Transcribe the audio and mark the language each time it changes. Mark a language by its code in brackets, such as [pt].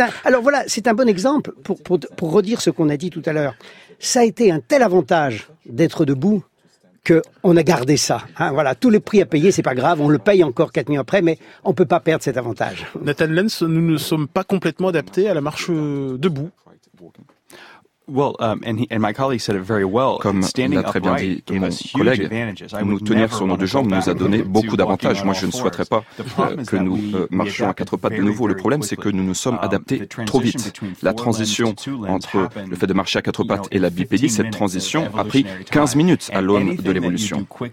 [fr] Alors voilà, c'est un bon exemple pour redire ce qu'on a dit tout à l'heure. Ça a été un tel avantage d'être debout qu'on a gardé ça. Hein, voilà, tous les prix à payer, c'est pas grave. On le paye encore 4 millions après, mais on peut pas perdre cet avantage. Nathan Lenz, nous ne sommes pas complètement adaptés à la marche debout. [en] Well, and my colleague said it very well. [fr] Comme l'a très bien dit mon collègue, nous tenir sur nos deux jambes nous a donné beaucoup d'avantages. Moi, je ne souhaiterais pas que nous marchions à quatre pattes de nouveau. Le problème, c'est que nous nous sommes adaptés trop vite. La transition entre le fait de marcher à quatre pattes et la bipédie, cette transition a pris 15 minutes à l'aune de l'évolution.